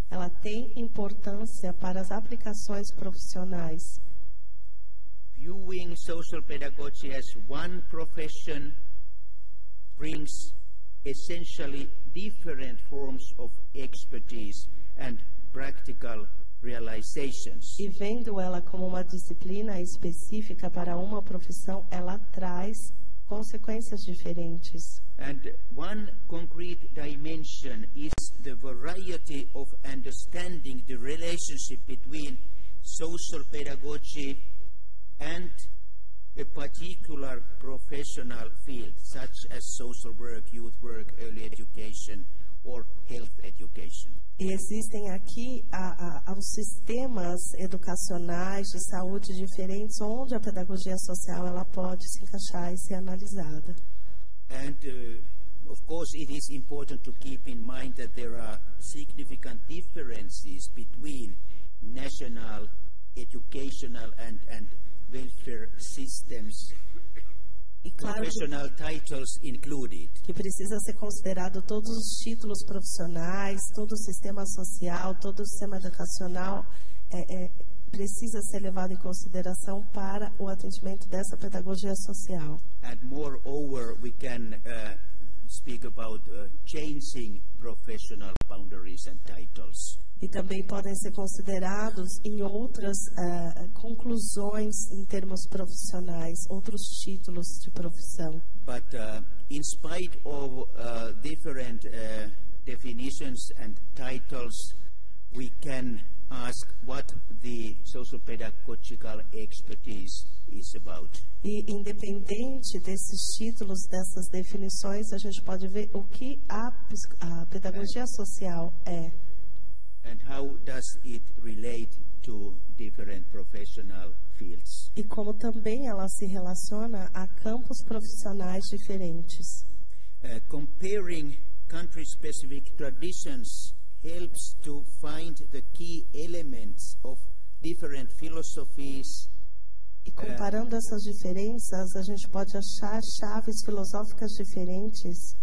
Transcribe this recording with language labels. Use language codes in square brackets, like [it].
[pt] Ela tem importância para as aplicações profissionais. [en] Viewing social pedagogy as one profession brings essentially different forms of expertise and practical realizations. [pt] E vendo ela como uma disciplina específica para uma profissão, ela traz consequências diferentes. [en] And one concrete dimension is the variety of understanding the relationship between social pedagogy and a particular professional field, such as social work, youth work, early education, or health education. [pt] E existem aqui os sistemas educacionais de saúde diferentes onde a pedagogia social ela pode se encaixar e ser analisada. [en] And of course, it is important to keep in mind that there are significant differences between national educational and welfare systems. [pt] E claro, [en] professional titles included. [pt] Que precisa ser considerado todos os títulos profissionais, todo o sistema social, todo o sistema educacional precisa ser levado em consideração para o atendimento dessa pedagogia social. [en] And moreover, we can speak about changing professional boundaries and titles. [pt] E também podem ser considerados em outras conclusões em termos profissionais, outros títulos de profissão. [en] But in spite of different definitions and titles, we can ask what the sociopedagogical expertise is about. [pt] E independente desses títulos, dessas definições, a gente pode ver o que a pedagogia social é. [en] And how does it relate to different professional fields? [pt] E como também ela se relaciona a campos profissionais diferentes? [en] Comparing country-specific traditions helps to find the key elements of different philosophies. [pt] E comparando essas diferenças, a gente pode achar chaves filosóficas diferentes